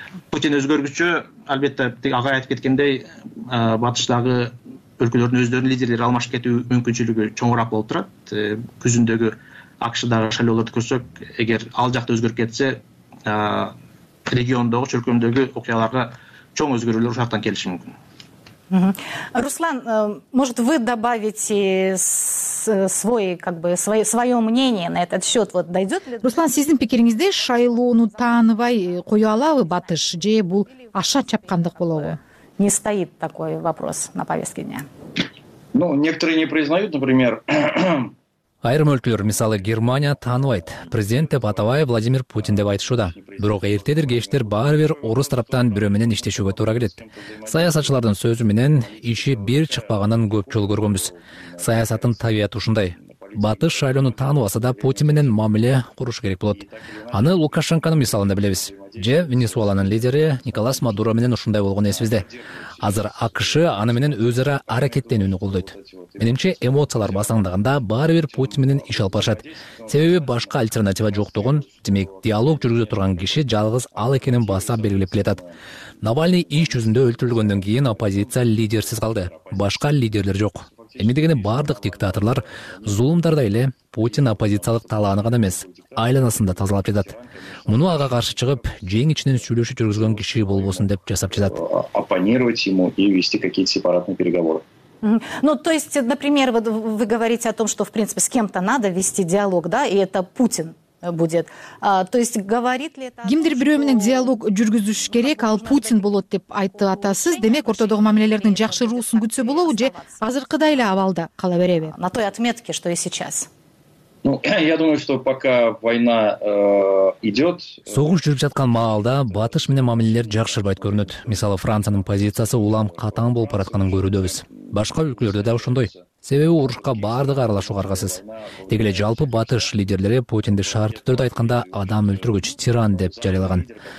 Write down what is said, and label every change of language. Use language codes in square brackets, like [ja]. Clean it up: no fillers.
[ky] Путин өзгөргүчө, албетте ага айтып кеткендей, батыштагы өлкөлөрдүн өздөрүнүн лидерлери алмашып кетүү мүмкүнчүлүгү чоңураак болуп турат. Күзүндөгү АКШдагы шайлоолорду көрсөк, эгер ал жакта өзгөрүп кетсе, региондогу чөлкөмдөгү окуяларга чоң өзгөрүүлөр ушактан келиши мүмкүн. [ru] Руслан, может вы добавите свой, как бы, свое мнение на этот счет? Вот дойдет ли? [ky] Руслан, сиздин пикириңизде шайлоону тааныбай кое алабы батыш, же бул аша чапкандык болобу? [ru] Не стоит такой вопрос на повестке дня. Ну, некоторые не признают, например, [ky] Айрым өлкөлөр, мисалы Германия тааныбайт. Президент деп атабай Владимир Путин деп айтышууда. Бирок эртедир кечтер баары бир орус тараптан бирөө менен иштешүүгө туура келет. Саясатчылардын сөзү менен иши бир чыкпаганын көп жолу көргөнбүз. Саясатын табияты ушундай. Батыш шайлоону тааныбаса да Путин менен мамиле куруш керек болот. Аны Лукашенконун мисалында билебиз. Же Венесуэланын лидери Николас Мадуро менен ушундай болгон эсибизде. Азыр АКШ аны менен өз ара аракеттенүүнү колдойт. Менимче эмоциялар басаңдаганда баары бир Путин менен иш алып барышат. Себеби башка альтернатива жоктугун, демек диалог жүргүзө турган киши жалгыз ал экенин баса белгилеп келатат. Навальный иш жүзүндө өлтүрүлгөндөн кийин оппозиция лидерсиз калды. Башка лидерлер жок. Эми дегени бардык диктаторлор зулумдардай эле Путин оппозициялык талааны гана эмес, айланасында тазалап жатат. Муну ага каршы чыгып, жең ичинен сүйлөшүп жүргүзгөн киши болбосун деп жасап жатат. [ru] Оппонировать ему и вести какие-то сепаратные переговоры. Ну, то есть, например, вот вы говорите о том, что, в принципе, с кем-то надо вести диалог, да, и это Путин. Будет. То есть говорит ли это [ky] кимдир бирөө менен диалог жүргүзүш керек, ал Путин болот деп айтты атасыз. Демек ортодогу мамилелердин жакшыруусун күтсө болобу же азыркыдай эле абалда кала береби? [ru] На той отметке, что и сейчас. Ну, я думаю, что пока война идет. [ky] Согуш жүрүп жаткан маалда батыш менен мамилелер жакшырбайт көрүнөт. Мисалы, Франциянын позициясы улам катаң болуп баратканын көрүүдөбүз. Башка өлкөлөрдө да ошондой. Себеби урушка баардыгы аралашууга аргасыз. Деги эле жалпы батыш лидерлери Путинди шарттуу түрдө айтканда адам өлтүргүч тиран деп жарыялаган.